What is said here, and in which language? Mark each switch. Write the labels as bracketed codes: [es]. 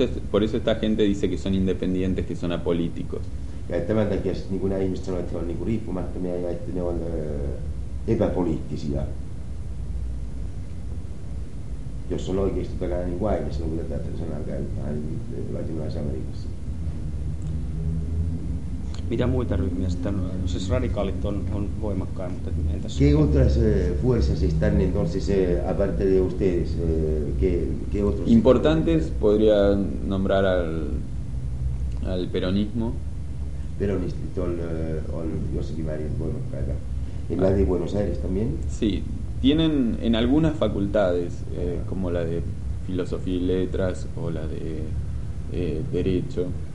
[es] Por eso esta gente dice que son independientes, que son apolíticos. [fi] Ja tämän takia sitten niin kuin nämä ihmiset sanoo, että he on niin kuin riippumattomia ja että ne on epäpoliittisia. Jos on oikeasti takana niin kuin aina, silloin kun tätä sanaa käytetään, niin Latinalais-Amerikassa. Mitä muita ryhmiä sitten on? Siis radikaalit on voimakkaita, mutta entäs? [es] ¿Qué otras fuerzas están entonces aparte de ustedes? ¿Qué otros? Importantes podría nombrar al peronismo. [fi] Peronistit on jossakin määrin voimakkaita. [es] ¿En la de Buenos Aires también? Sí, tienen en algunas facultades, como la de filosofía y letras o la de derecho.